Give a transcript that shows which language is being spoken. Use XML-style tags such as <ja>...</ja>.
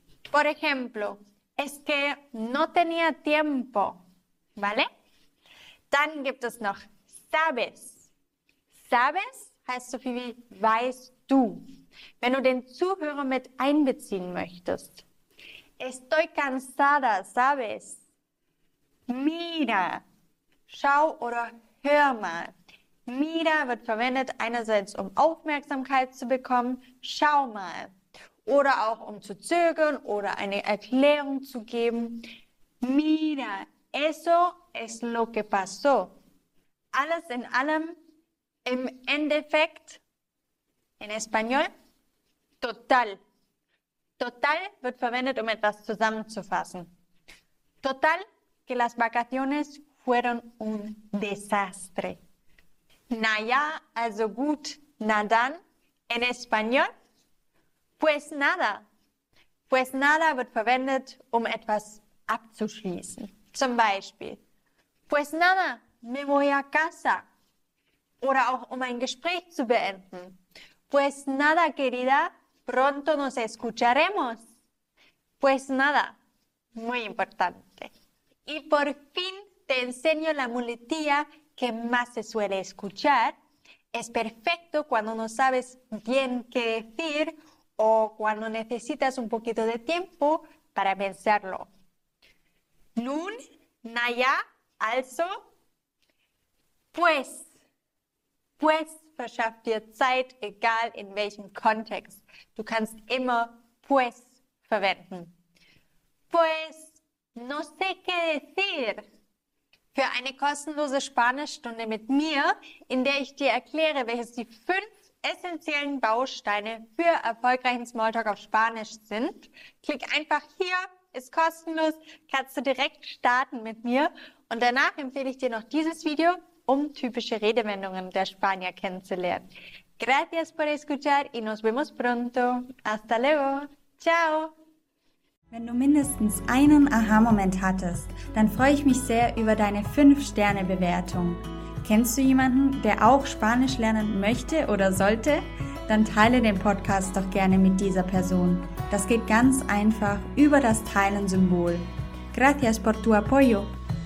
<es>Por ejemplo, es que no tenía tiempo, ¿vale?</es> <de>Dann gibt es noch sabes. Sabes heißt so viel wie weißt du. Wenn du den Zuhörer mit einbeziehen möchtest.</de> <es>Estoy cansada, ¿sabes? Mira, schau oder hör mal.</es> <de>Mira wird verwendet einerseits, um Aufmerksamkeit zu bekommen. Schau mal. Oder auch um zu zögern oder eine Erklärung zu geben.</de> <es>Mira, eso es lo que pasó.</es> <de>Alles in allem, im Endeffekt, in Español, total. Total wird verwendet, um etwas zusammenzufassen.</de> <es>Total que las vacaciones fueron un desastre.</es> <de>Na ja, also gut, na dann, in Español. Pues nada wird verwendet, um etwas abzuschließen.</de> <es>Zum Beispiel, pues nada, me voy a casa.</es> <de>Oder auch, um ein Gespräch zu beenden.</de> <es>Pues nada, querida, pronto nos escucharemos. Pues nada, muy importante. Y por fin te enseño la muletilla que más se suele escuchar. Es perfecto cuando no sabes bien qué decir o cuando necesitas un poquito de tiempo para pensarlo.</es> <de>Nun, naya, also, pues. Pues verschafft dir Zeit, egal in welchem Kontext. Du kannst immer pues verwenden. Pues, no sé qué decir. Für eine kostenlose Spanischstunde mit mir, in der ich dir erkläre, welches die fünf essentiellen Bausteine für erfolgreichen Smalltalk auf Spanisch sind. Klick einfach hier, ist kostenlos, kannst du direkt starten mit mir. Und danach empfehle ich dir noch dieses Video, um typische Redewendungen der Spanier kennenzulernen.</de> <es>Gracias por escuchar y nos vemos pronto. Hasta luego. Ciao.</es> <de>Wenn du mindestens einen Aha-Moment hattest, dann freue ich mich sehr über deine 5-Sterne-Bewertung. Kennst du jemanden, der auch Spanisch lernen möchte oder sollte? Dann teile den Podcast doch gerne mit dieser Person. Das geht ganz einfach über das Teilen-Symbol. Gracias por tu apoyo.</de>